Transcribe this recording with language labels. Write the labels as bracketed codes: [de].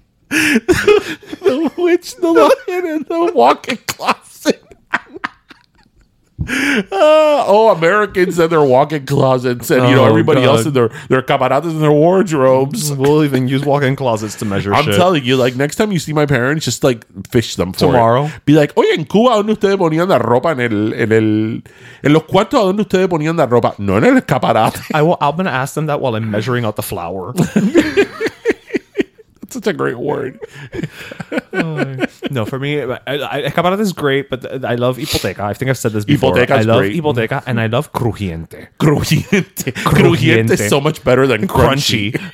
[en] The witch, the lion, and the walk-in closet. Oh, Americans and their walk-in closets, and you know, everybody else in their camaradas and their wardrobes. We'll even use walk-in closets to measure. I'm telling you, like, next time you see my parents, just like fish them for tomorrow. It. Be like, [es] oye, en Cuba, ¿dónde ustedes ponían la ropa en los cuartos? ¿Dónde ustedes ponían la ropa? No en el escaparate. [en] I'm gonna ask them that while I'm measuring out the flour. Such a great word. No, for me, escaparate is great, but I love hipoteca. I think I've said this before. Hipoteca is great. I love hipoteca, and I love crujiente. Crujiente. Crujiente is so much better than crunchy.